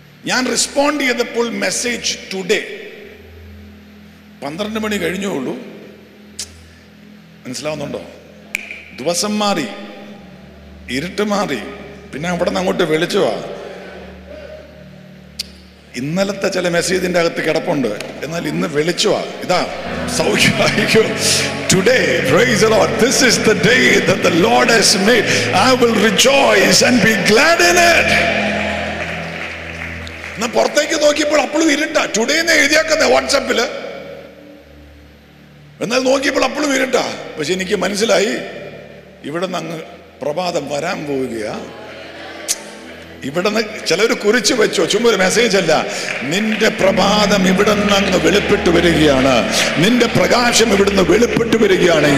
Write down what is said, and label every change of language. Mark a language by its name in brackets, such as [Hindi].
[Malayalam] ഞാൻ റെസ്പോണ്ട് ചെയ്തപ്പോൾ message today. 12 കഴിഞ്ഞേ ഉള്ളൂ, മനസ്സിലാവുന്നുണ്ടോ? ദിവസം മാറി, ഇരുട്ട് മാറി, പിന്നെ അവിടെ നിന്ന് അങ്ങോട്ട് വിളിച്ചുവാ. ഇന്നലത്തെ ചില മെസ്സേജിന്റെ അകത്ത് കിടപ്പുണ്ട്, എന്നാൽ ഇന്ന് വിളിച്ചുവാ. ഇതാ സൗഖ്യമായിരിക്കും. [English] Today, praise the Lord, this is the day that the Lord has made. I will rejoice and be glad in it. [Malayalam] ഞാൻ പുറത്തേക്ക് നോക്കിയപ്പോൾ അപ്പോഴും ഇരുട്ടാ. ടുഡേ എന്ന് എഴുതിയാക്കുന്ന വാട്സാപ്പിൽ, എന്നാൽ നോക്കിയപ്പോൾ അപ്പോഴും ഇരുട്ടാ. പക്ഷെ എനിക്ക് മനസ്സിലായി ഇവിടെ നിന്ന് അങ്ങ് പ്രഭാതം വരാൻ പോവുകയാ. ഇവിടെ നിന്ന് ചിലർ കുറിച്ച് വെച്ചോ, ചുമ്മാ ഒരു മെസ്സേജ് അല്ല. നിന്റെ പ്രഭാതം ഇവിടെ നിന്ന് അങ്ങ് വെളിപ്പെട്ട് വരികയാണ്, നിന്റെ പ്രകാശം ഇവിടെ നിന്ന് വെളിപ്പെട്ട് വരികയാണ്.